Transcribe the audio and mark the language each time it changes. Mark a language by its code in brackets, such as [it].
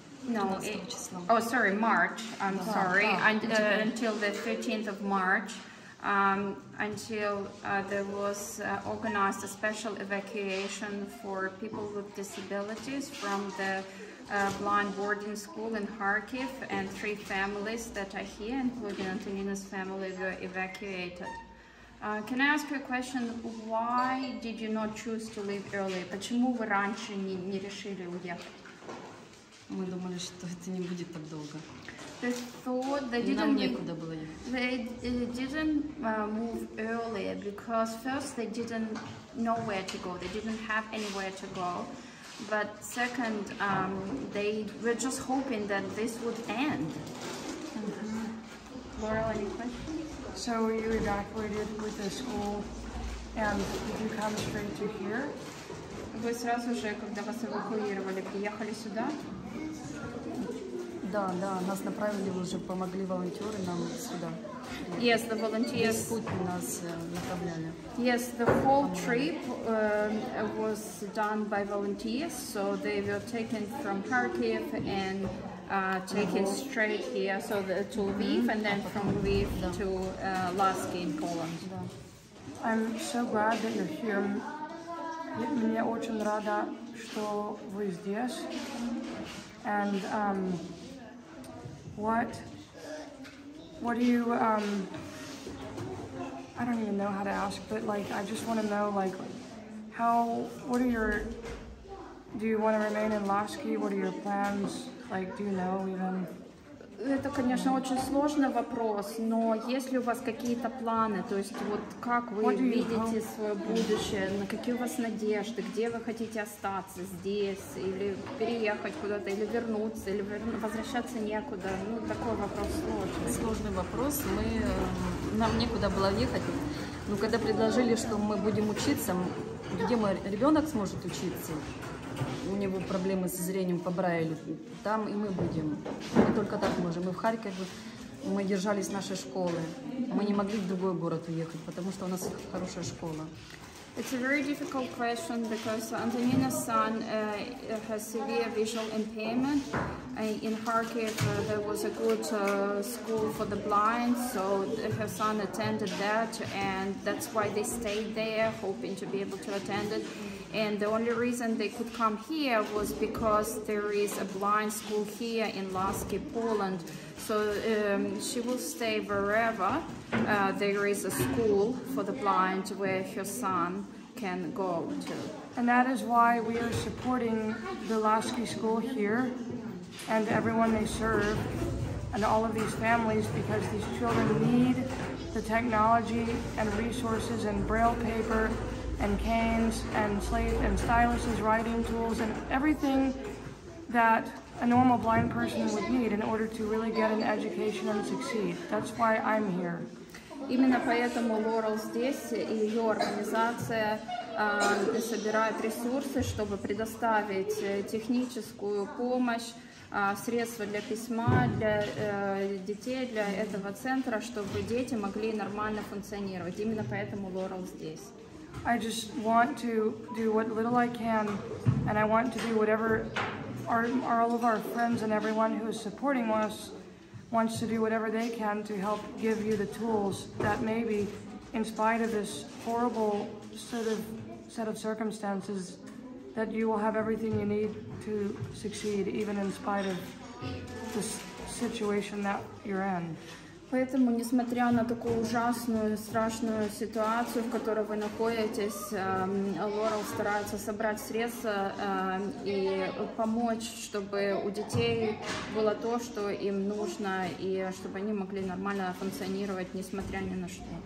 [en] March. I'm sorry. Until the 13th of March, until there was organized a special evacuation for people with disabilities from the blind boarding school in Kharkiv, and three families that are here, including Antonina's family, were evacuated. Can I ask you a question? Why did you not choose to leave early? [ru] Почему вы раньше не решили уехать? Мы думали, что это не будет так долго. [en] They thought they didn't. [ru] Нам некуда было ехать. [en] They didn't move earlier because first they didn't know where to go. They didn't have anywhere to go. But second, they were just hoping that this would end. Laurel, any questions? So you evacuated with the school, and did you come straight to here? [ru] Вы сразу же, когда вас эвакуировали, приехали сюда? Да, да, нас направили уже, помогли волонтеры нам сюда. [en] Yes, the volunteers. [ru] Путь нас направляли. [en] Yes, the whole trip was done by volunteers, so they were taken from Kharkiv and taking straight here, so to Lviv, and then from Lviv to Laski in Poland. I'm so glad that you're here. [ru] Мне очень рада, что вы здесь. [en] And what do you I don't even know how to ask, but like I just want to know, like, how, what are your, do you want to remain in Laski? What are your plans? Like, do you know even? [ru] Это, конечно, очень сложный вопрос, но есть ли у вас какие-то планы? То есть вот как вы видите свое будущее? На какие у вас надежды? Где вы хотите остаться? Здесь? Или переехать куда-то? Или вернуться? Или возвращаться некуда? Ну, такой вопрос сложный. Сложный вопрос. Нам некуда было ехать. Но когда предложили, что мы будем учиться, где мой ребенок сможет учиться? У него проблемы со зрением по Брайлю. Там и мы будем. Мы только так можем. Мы в Харькове, мы держались нашей школы. Мы не могли в другой город уехать, потому что у нас хорошая школа. [en] It's a very difficult question because Antonina's son has severe visual impairment. In Kharkiv, there was a good school for the blind, so her son attended that, and that's why they stayed there, hoping to be able to attend it. And the only reason they could come here was because there is a blind school here in Laski, Poland. So she will stay wherever there is a school for the blind where her son can go to. And that is why we are supporting the Laski school here and everyone they serve and all of these families, because these children need the technology and resources and braille paper and canes and slate and styluses, writing tools, and everything that a normal blind person would need in order to really get an education and succeed. That's why I'm here. [ru] Именно поэтому Laurel здесь, и ее организация собирает ресурсы, чтобы предоставить техническую помощь, средства для письма для детей, для этого центра, чтобы дети могли нормально функционировать. Именно поэтому Laurel здесь. [en] I just want to do what little I can, and I want to do whatever our all of our friends and everyone who is supporting us wants to do whatever they can to help give you the tools that maybe, in spite of this horrible set of circumstances, that you will have everything you need to succeed, even in spite of this situation that you're in. [ru] Поэтому, несмотря на такую ужасную, страшную ситуацию, в которой вы находитесь, Лорел старается собрать средства и помочь, чтобы у детей было то, что им нужно, и чтобы они могли нормально функционировать, несмотря ни на что.